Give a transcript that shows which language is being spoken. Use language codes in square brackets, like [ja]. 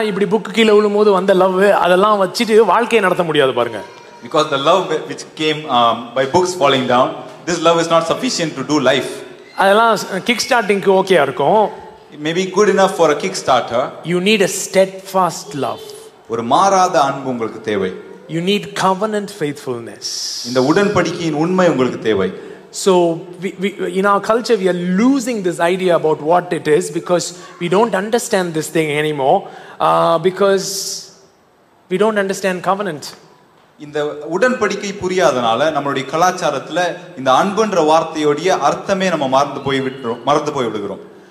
[ta] இப்படி புக் கீழே விழும் போது வந்த லவ் அதெல்லாம் வச்சுட்டு வாழ்க்கையை நடத்த முடியாது பாருங்க. [en] Because the love which came by books falling down, this love is not sufficient to do life. [ta] அதெல்லாம் கிக் ஸ்டார்டிங்க்கு ஓகேயா இருக்கும். [en] Maybe good enough for a kickstarter. You need a steadfast love. [ta] ஒரு மாறாத அன்பு உங்களுக்கு தேவை. [en] You need covenant faithfulness. [ta] இந்த உடன்படிக்கையின் உண்மை உங்களுக்கு தேவை. [en] So we, in our culture we are losing this idea about what it is because we don't understand this thing anymore because we don't understand covenant. [ta] இந்த உடன்படிக்கை புரியாதனால நம்மளுடைய கலாச்சாரத்துல இந்த அன்புன்ற வார்த்தையோட அர்த்தமே நம்ம மறந்து போய் விடுகிறோம்.